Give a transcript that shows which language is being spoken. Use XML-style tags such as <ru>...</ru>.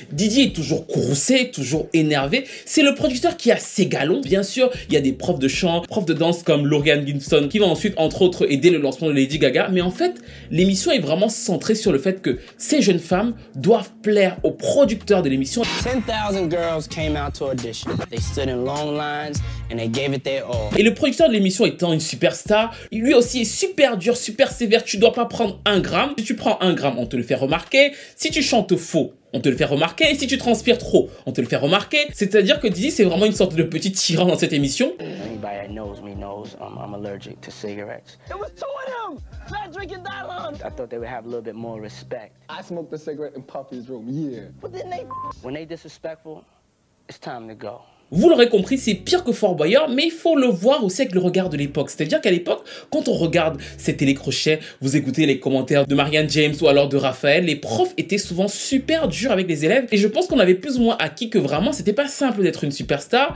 <fr>Didi est toujours courroucé, toujours énervé. C'est le producteur qui a ses galons. Bien sûr, il y a des profs de chant, prof de danse comme Lorian Ginson qui va ensuite entre autres aider le lancement de Lady Gaga, mais en fait l'émission est vraiment centrée sur le fait que ces jeunes femmes doivent plaire aux producteurs de l'émission.</fr> <en>10,000 girls came out to audition. They stood in long lines and they gave it their all.</en> <fr>Et le producteur de l'émission étant une superstar, lui aussi est super dur, super sévère. Tu dois pas prendre un gramme. Si tu prends un gramme, on te le fait remarquer. Si tu chantes faux, on te le fait remarquer. Et si tu transpires trop, on te le fait remarquer. C'est-à-dire que Didi, c'est vraiment une sorte de petit tyran dans cette émission.</fr> <en>Anybody that knows me knows I'm allergic to cigarettes. It was two of them. Not drinking that long. I thought they would have a little bit more respect. I smoked a cigarette in Puffy's room. Yeah. But then they. When they disrespectful, it's time to go.</en> <fr>Vous l'aurez compris, c'est pire que Fort Boyard, mais il faut le voir aussi avec le regard de l'époque. C'est-à-dire qu'à l'époque, quand on regarde ces télécrochets, vous écoutez les commentaires de Marianne James ou alors de Raphaël, les profs étaient souvent super durs avec les élèves. Et je pense qu'on avait plus ou moins acquis que vraiment, c'était pas simple d'être une superstar.</fr>